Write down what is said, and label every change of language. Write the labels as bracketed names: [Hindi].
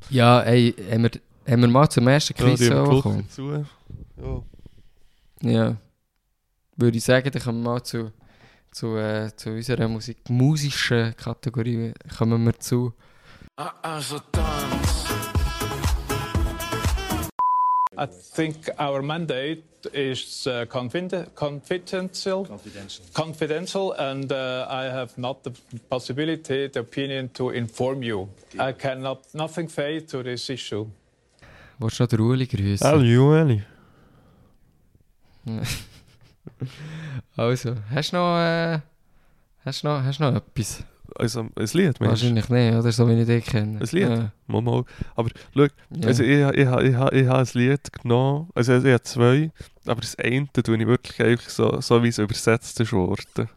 [German] Ja, ey, haben wir mal zum ersten Quiz gekommen? Ja. Ja, würde ich sagen, dann kommen wir mal zu, zu unserer musischen Kategorie kommen wir zu. Also Tanz. [English] I think our mandate is confidential, and I have not the possibility, the opinion to inform you. Okay. I cannot nothing say to this issue. [German] Willst du noch den Ueli grüßen? Hallo Ueli. Also, hast du noch etwas? Also, ein Lied, meinst du? Wahrscheinlich nicht, oder? So wie ich dich kenne. Ein Lied? Ja. Mal. Aber schau, also ich habe ein Lied genommen, also ich habe zwei, aber das eine tue ich wirklich einfach so wie es übersetzt ist worden.